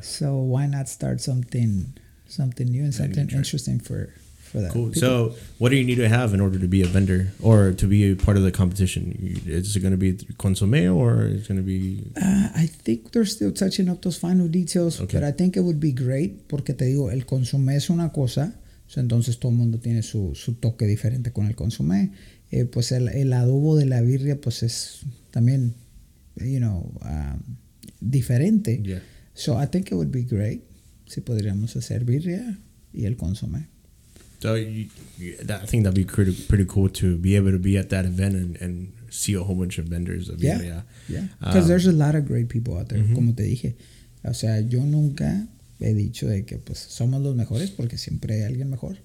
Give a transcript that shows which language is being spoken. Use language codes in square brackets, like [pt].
[en] So why not start something new and something interesting for that? Cool. People. So what do you need to have in order to be a vendor or to be a part of the competition? Is it going to be consomme or is it going to be? I think they're still touching up those final details. Okay. But I think it would be great [es] porque te digo, el consomme es una cosa. So entonces todo el mundo tiene su toque diferente con el consomme. Pues el adobo de la birria pues es también, [en] you know, [es] diferente. [en] Yeah. So I think it would be great [es] si podríamos hacer birria y el consomé. [en] So I think that'd be pretty cool to be able to be at that event and see a whole bunch of vendors of birria. Yeah, yeah. Because there's a lot of great people out there, mm-hmm. [es] como te dije. O sea, yo nunca he dicho de que pues somos los mejores porque siempre hay alguien mejor.